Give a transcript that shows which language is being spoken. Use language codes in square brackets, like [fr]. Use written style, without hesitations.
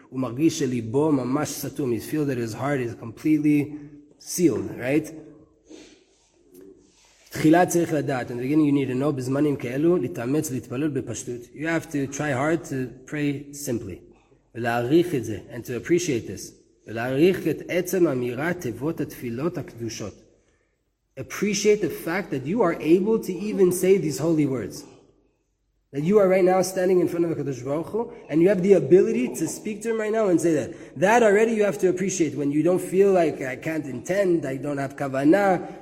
[en] He feels that his heart is completely sealed, right? In the beginning, you need to know, [he] בזמנים כאלו, להתאמץ, להתפלל בפשטות. [en] You have to try hard to pray simply. [he] ולהעריך את זה, [en] and to appreciate this. [he] ולהעריך את עצם אמירה תיבות התפילות הקדושות. [en] Appreciate the fact that you are able to even say these holy words. That you are right now standing in front of HaKadosh Baruch Hu, and you have the ability to speak to Him right now and say that. That already you have to appreciate when you don't feel like I can't intend, I don't have Kavanah.